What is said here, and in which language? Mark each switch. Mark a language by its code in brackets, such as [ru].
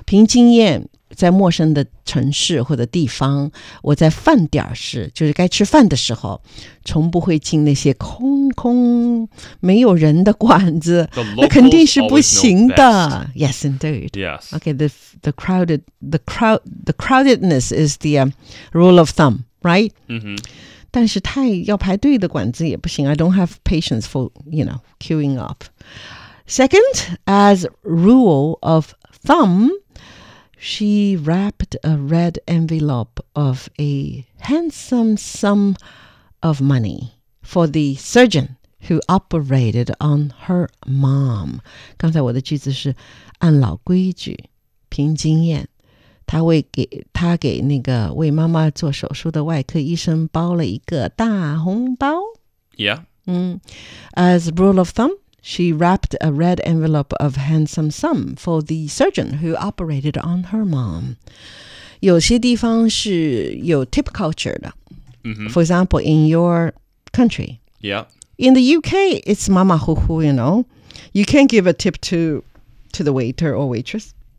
[zh] 凭经验在陌生的城市或者地方我在饭点时就是该吃饭的时候从不会进那些空空没有人的馆子那肯定是不行的 [en] Yes, indeed. Yes. Okay, the crowdedness is the rule of thumb, right? Mm-hmm. [zh] 但是太要排队的馆子也不行 [en] I don't have patience for, you know, queuing up. Second, as rule of thumbShe wrapped a red envelope of a handsome sum of money for the surgeon who operated on her mom. [zh] 刚才我的句子是按老规矩，凭经验，她给那个为妈妈做手术的外科医生包了一个大红包。 [en] Yeah. As rule of thumb. She wrapped a red envelope of handsome sum for the surgeon who operated on her mom. [zh] 有些地方是有 tip culture 的。 [en] Mm-hmm. For example, in your country. Yeah. In the UK, it's mama hoo hoo, you know. You can't give a tip to the waiter or waitress.